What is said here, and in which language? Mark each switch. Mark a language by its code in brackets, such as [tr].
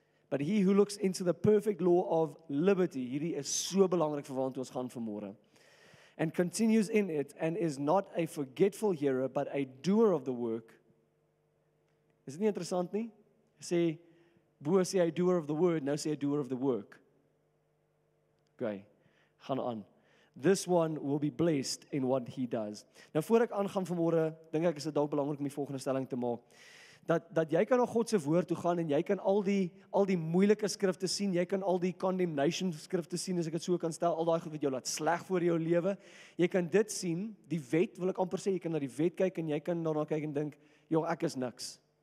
[en] But he who looks into the perfect law of liberty, [af] hierdie is so belangrik vir waartoe ons gaan vanmôre, [en] and continues in it, and is not a forgetful hearer, but a doer of the work. [af] Is dit nie interessant nie? Sê, bo sê [en] a doer of the word, [af] nou sê [en] a doer of the work. Okay, [af] gaan aan. [en] This one will be blessed in what he does. [af] Nou, voor ek aangaan vanmôre, dink ek is dit dalk belangrik om die volgende stelling te maak. Dat jy kan na God se woord toe gaan en jy kan al die moeilike skrifte sien, jy kan al die condemnation skrifte sien, as ek dit so kan stel, al daai goed wat jou laat sleg voor jou lewe. Jy kan dit sien, die wet, wil ek amper sê, jy kan na die wet kyk en jy kan daarna kyk en dink, joh, ek is niks.